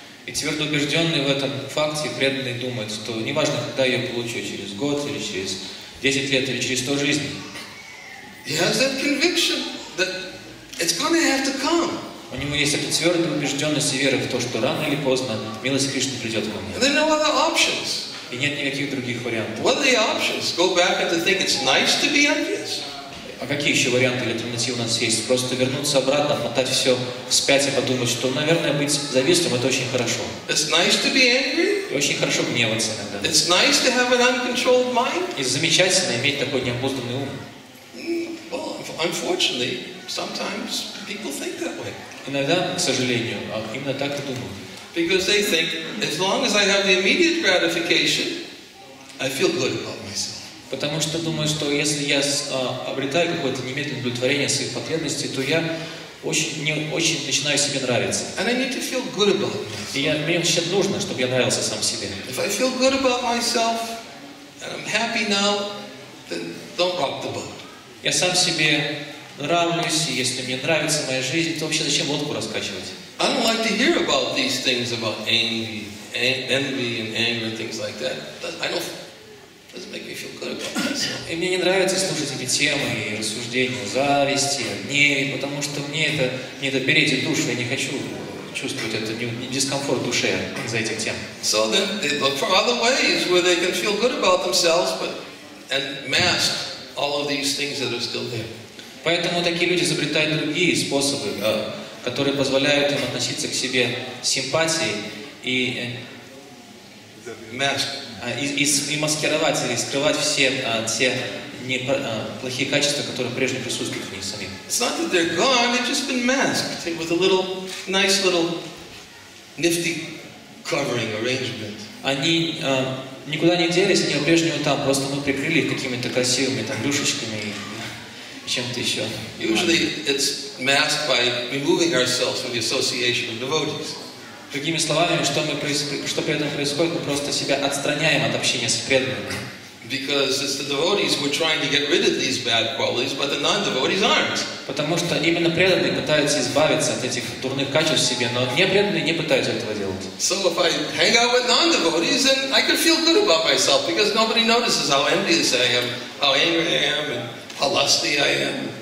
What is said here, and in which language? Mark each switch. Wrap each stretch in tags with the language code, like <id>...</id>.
<ru>И твердо убежденный в этом факте, преданный думает, что неважно, когда я получу, через год, или через 10 лет, или через 100 жизней.</ru> <en>He has that conviction that it's going to have to come.</en> <ru>У него есть эта твердая убежденность и вера в то, что рано или поздно милость Кришны придет ко мне.</ru> <en>And there are no other options.</en> <ru>И нет никаких других вариантов.</ru> <en>What are the options? Go back and think it's nice to be envious.</en> <ru>А какие еще варианты или альтернативы у нас есть? Просто вернуться обратно, мотать все вспять и подумать, что, наверное, быть завистливым — это очень хорошо.</ru> <en>It's nice to be angry.</en> <ru>И очень хорошо гневаться иногда.</ru> <en>It's nice to have an uncontrolled mind.</en> <ru>И замечательно иметь такой необузданный ум.</ru> <en>Well, unfortunately, sometimes people think that way.</en> <ru>Иногда, к сожалению, именно так и думают.</ru> <en>Because they think, as long as I have the immediate gratification, I feel good about myself.</en> <ru>Потому что думаю, что если я обретаю какое-то немедленное удовлетворение своих потребностей, то я очень начинаю себе нравиться.</ru> <en>And I need to feel good about myself.</en> <ru>И мне вообще нужно, чтобы я нравился сам себе.</ru> <en>If I feel good about myself, and I'm happy now, then don't rock the boat.</en> <ru>Я сам себе нравлюсь, и если мне нравится моя жизнь, то вообще зачем лодку раскачивать?</ru> <en>I don't like to hear about these things about envy and anger and things like that. Doesn't make me feel good about myself.</en> <ru>И мне не нравится слушать эти темы и рассуждения зависти, гнева, потому что мне это берет душу, я не хочу чувствовать это дискомфорт душе из-за этих тем.</ru> <en>So then they look for other ways where they can feel good about themselves, but mask all of these things that are still there.</en> <ru>Поэтому такие люди изобретают другие способы, которые позволяют им относиться к себе симпатией и маскировать или скрывать все те плохие качества, которые прежде присутствуют в них самих.</ru> <en>It's not that they're gone, they've just been masked with a little, nice little nifty covering arrangement.</en> <ru>Они никуда не делись, они по-прежнему там, просто мы прикрыли их какими-то красивыми там рюшечками и чем-то еще.</ru> <en>Usually it's masked by removing ourselves from the association of devotees.</en> <ru>Другими словами, что при этом происходит, мы просто себя отстраняем от общения с преданными.</ru> <en>Because it's the devotees who are trying to get rid of these bad qualities, but the non-devotees aren't.</en> <ru>Потому что именно преданные пытаются избавиться от этих дурных качеств в себе, но не преданные не пытаются этого делать.</ru> <en>So if I hang out with non-devotees, then I can feel good about myself because nobody notices how envious I am, how angry I am, and how lusty I am.</en>